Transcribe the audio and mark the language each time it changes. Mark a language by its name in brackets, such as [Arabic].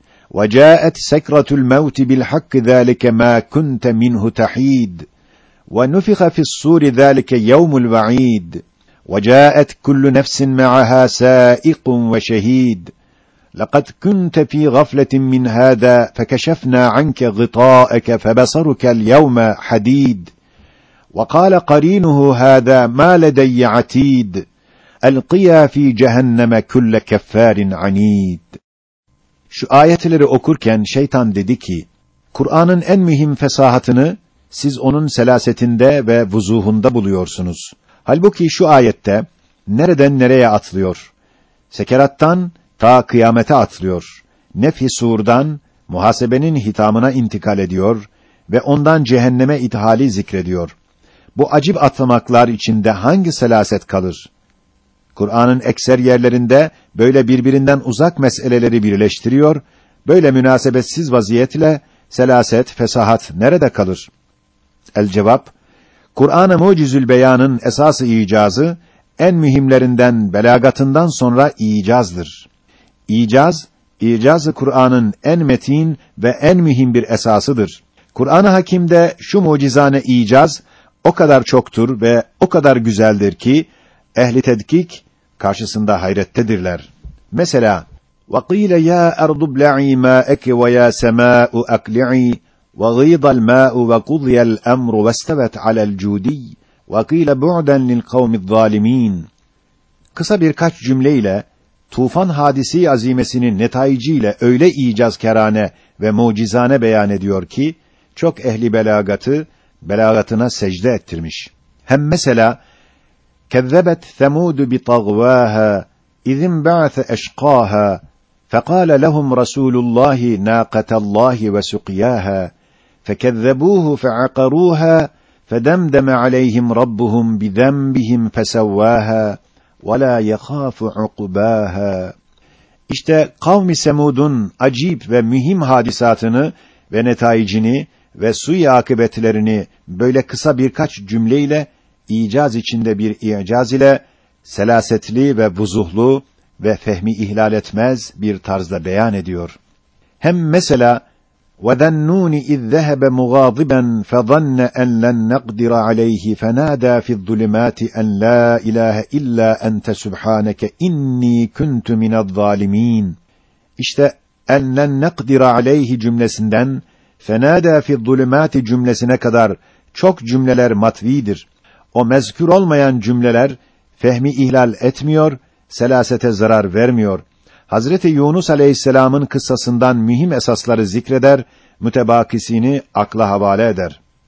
[Arabic] وجاءت سكرة الموت بالحق ذلك ما كنت منه تحيد ونفخ في الصور ذلك يوم الوعيد وجاءت كل نفس معها سائق وشهيد لقد كنت في غفلة من هذا فكشفنا عنك غطاءك فبصرك اليوم حديد وقال قرينه هذا ما لدي عتيد ألقيا في جهنم كل كفار عنيد. [Turkish] Şu ayetleri okurken şeytan dedi ki, Kur'an'ın en mühim fesahatını siz onun selasetinde ve vuzuhunda buluyorsunuz. Halbuki şu ayette nereden nereye atlıyor? Sekerattan ta kıyamete atlıyor. Nefh-i sur'dan muhasebenin hitamına intikal ediyor ve ondan cehenneme ithali zikrediyor. Bu acib atlamaklar içinde hangi selaset kalır? Kur'an'ın ekser yerlerinde böyle birbirinden uzak meseleleri birleştiriyor, böyle münasebetsiz vaziyetle selaset, fesahat nerede kalır? El-cevap, Kur'an-ı Mucizül Beyan'ın esas-ı icazı, en mühimlerinden belagatından sonra icazdır. İcaz, icaz-ı Kur'an'ın en metin ve en mühim bir esasıdır. Kur'an-ı Hakim'de şu mucizane icaz, o kadar çoktur ve o kadar güzeldir ki, ehl-i tedkik karşısında hayrettedirler. Mesela [Arabic] وَقِيلَ يَا أَرْضُ بْلَعِي مَاءَكِ وَيَا سَمَاءُ أَقْلِعِي وَغِيضَ الْمَاءُ وَقُضِيَ الْأَمْرُ وَاسْتَوَتْ عَلَى الْجُودِي وَقِيلَ بُعْدًا لِلْقَوْمِ الظَّالِمِينَ. [Turkish] Kısa birkaç cümleyle tufan hadisi azimesinin netayiciyle öyle icazkerane ve mucizane beyan ediyor ki, çok ehli belagatı, belagatına secde ettirmiş. Hem mesela, [Arabic] كَذَّبَتْ ثَمُودُ بِطَغْوَاهَا اِذِنْ بَعْثَ اَشْقَاهَا فَقَالَ لَهُمْ رَسُولُ اللّٰهِ نَاقَةَ اللّٰهِ وَسُقْيَاهَا فَكَذَّبُوهُ فَعَقَرُوهَا فَدَمْدَمَ عَلَيْهِمْ رَبُّهُمْ بِذَنْبِهِمْ فَسَوَّاهَا وَلَا يَخَافُ عُقُبَاهَا. [Turkish] İşte kavm-i Semud'un acib ve mühim hadisatını ve netaicini ve suyu akıbetlerini böyle kısa birkaç cümleyle, icaz içinde bir icaz ile, selasetli ve vuzuhlu ve fehmi ihlal etmez bir tarzda beyan ediyor. Hem mesela, [Arabic] وَذَنُّونِ اِذْ ذَهَبَ مُغَاضِبًا فَظَنَّ أَنْ لَنْ نَقْدِرَ عَلَيْهِ فَنَادَى فِي الظُّلُمَاتِ أَنْ لَا إِلَٰهَ إِلَّا أَنْتَ سُبْحَانَكَ اِنِّي كُنْتُ مِنَ الظَّالِمِينَ. [Turkish] İşte [Arabic] اَنْ لَنْ نَقْدِرَ عَلَيْهِ [Turkish] cümlesinden [Arabic] فَنَادَى فِي الظُّلُمَاتِ [Turkish] cümlesine kadar çok cümleler matvidir. O mezkür olmayan cümleler fehmi ihlal etmiyor, selasete zarar vermiyor. Hazreti Yunus Aleyhisselam'ın kıssasından mühim esasları zikreder, mütebakisini akla havale eder.